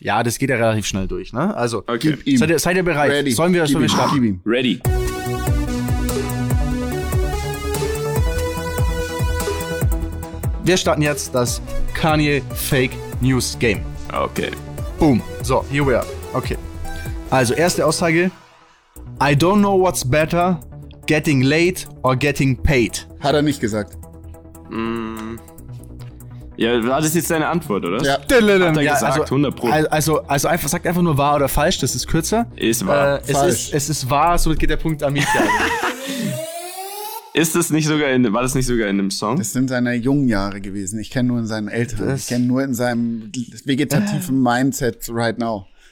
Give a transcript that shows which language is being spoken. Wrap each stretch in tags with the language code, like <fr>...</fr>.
<de>Ja, das geht ja relativ schnell durch, ne? Also, okay. Seid ihr bereit?</de> <en>Ready.</en> <de>Sollen wir starten?</de> <en>Ready.</en> <de>Wir starten jetzt das Kanye Fake News Game. Okay.</de> <en>Boom. So, here we are. Okay.</en> <de>Also, erste Aussage.</de> <en>I don't know what's better, getting late or getting paid.</en> <de>Hat er nicht gesagt. Ja, war das jetzt deine Antwort, oder? Ja, hat er gesagt, 100%. Also einfach, sagt einfach nur wahr oder falsch, das ist kürzer. Ist wahr. Es ist wahr, somit geht der Punkt an mich. War das nicht sogar in einem Song? Das sind seine jungen Jahre gewesen. Ich kenne nur in seinen Eltern. Ich kenne nur in seinem vegetativen Mindset</de> <en>right now.</en>